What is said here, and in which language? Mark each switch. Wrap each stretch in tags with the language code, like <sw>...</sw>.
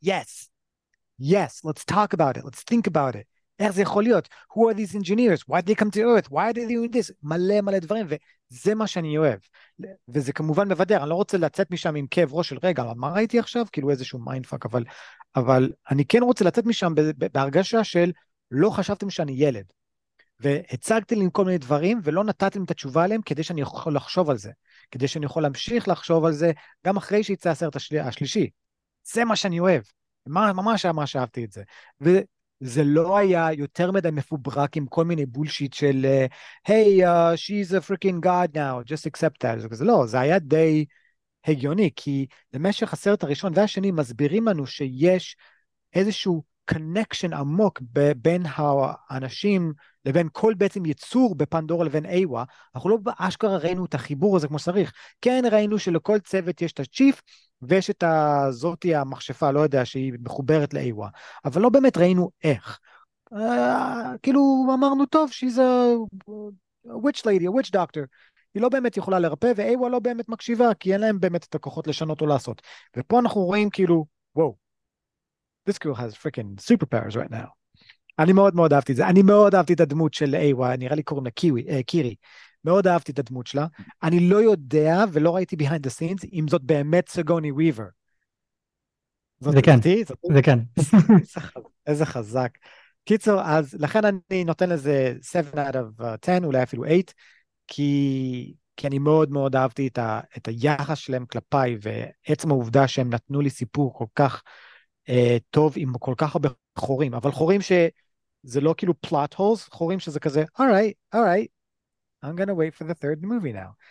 <en>Yes, yes, let's talk about it, let's think about it.</en> <he>איך זה יכול להיות?</he> <en>Who are these engineers? Why did they come to Earth? Why are they doing this?</en> <he>מלא מלא דברים, וזה מה שאני אוהב. וזה כמובן מבדר, אני לא רוצה לצאת משם עם כאב ראש של רגע, אבל מה ראיתי עכשיו? כאילו איזשהו מיינפאק, אבל אני כן רוצה לצאת משם בהרגשה של לא חשבתם שאני ילד. והצגתי לי עם כל מיני דברים, ולא נתתי לי את התשובה עליהם, כדי שאני יכול לחשוב על זה. כדי שאני יכול להמשיך לחשוב על זה, גם אחרי שיצא הסרט השלישי. זה מה שאני אוהב. ממש מה שאהבתי את זה. וזה לא היה יותר מדי מפוברק עם כל מיני בולשיט של,</he> <en>hey, she's a freaking god now, just accept that.</en> <he>זה לא, זה היה די הגיוני, כי למשך הסרט הראשון והשני, מסבירים לנו שיש איזשהו connection עמוק בין האנשים לבין כל בעצם יצור בפנדורה לבין איווה, אנחנו לא באשכרה ראינו את החיבור הזה כמו שריך. כן, ראינו שלכל צוות יש את הצ'יף, ויש את הזאתי המחשפה, לא יודע, שהיא מחוברת לאיווה. אבל לא באמת ראינו איך. כאילו, אמרנו, טוב,</he> <en>she's a witch lady, a witch doctor.</en> <he>היא לא באמת יכולה לרפא, ואיווה לא באמת מקשיבה, כי אין להם באמת את הכוחות לשנות או לעשות. ופה אנחנו רואים כאילו, וואו,</he> <en>this girl has freaking superpowers right now.</en> <he>אני מאוד מאוד אהבתי את זה, אני מאוד אהבתי את הדמות של איווה, נראה לי קוראים לה קיווי, קירי, מאוד אהבתי את הדמות שלה, אני לא יודע ולא ראיתי</he> <en>behind the scenes</en> <he>אם זאת באמת סגוני וויבר. זאת זה כן, זאת... זה כן. איזה חזק. קיצור, אז לכן אני נותן לזה 7</he> <en>out of 10,</en> <he>אולי אפילו 8, כי אני מאוד מאוד אהבתי את היחס שלהם כלפיי, ועצם העובדה שהם נתנו לי סיפור כל כך טוב עם כל כך הרבה חורים, אבל חורים שזה לא כאילו</he> <en>plot holes,</en> <he>חורים שזה כזה,</he> <en>all right, I'm gonna wait for the third movie now.</en>